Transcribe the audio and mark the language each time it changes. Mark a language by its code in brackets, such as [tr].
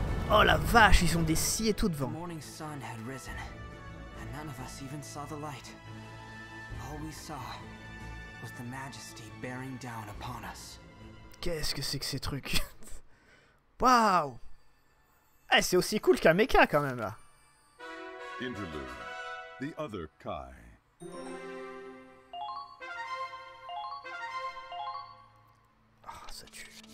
[fr] Oh la vache, ils ont des scie et tout devant. [en] Le morning sun had risen, and none of us even saw the light. All we saw was the majesty bearing down upon us. [fr] Qu'est-ce que c'est que ces trucs? Waouh! Eh, c'est aussi cool qu'un méca quand même là. [en] Interlude. The other Kai. [fr] Ah, oh, ça tue.